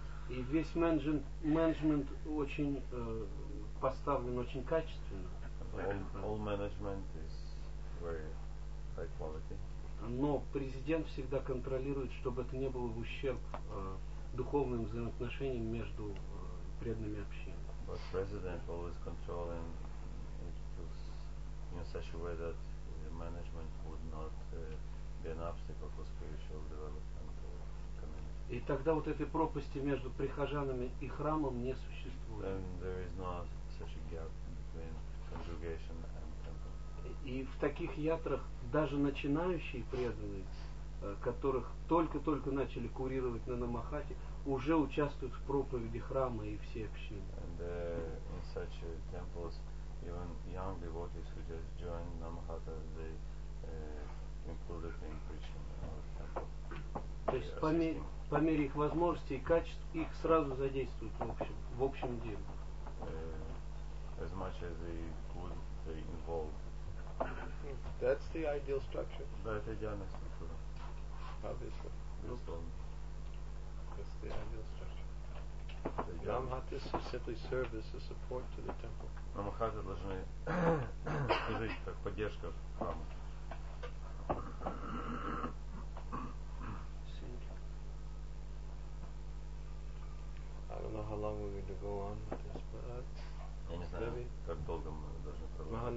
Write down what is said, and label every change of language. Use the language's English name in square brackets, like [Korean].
[Russian] И весь менеджмент очень поставлен, очень качественно. [English] All management is very high quality. [Russian] Но президент всегда контролирует, чтобы это не было в ущерб духовным взаимоотношениям между преданными общинами. [English] But president always controlling it in such a way that the management would not be an obstacle for spiritual development of community. [Russian] И тогда вот этой пропасти между прихожанами и храмом не существует. [English] And there is no such a gap between congregation and temple. [Russian] И в таких ятрах даже начинающие преданные, которых только-только начали курировать на намахате, уже участвуют в проповеди храма и всей общины. [English] And in such temples, even young devotees who just joined Namahata, they included in preaching of temple. [Russian] То есть по мере их возможностей и качеств их сразу задействуют в общем деле. [English] As much as they could, they involved. That's the ideal structure. [Russian] Да, это идеальная структура. [English] Obviously. [Russian] Безусловно. [English] That's the ideal structure. The Namahatas should simply serve as a support to the temple. [Russian] Намахаты должны служить как поддержка храма. [English] I don't know how long we're going to go on with this, but [Russian] я не знаю, как долго мы должны продолжать.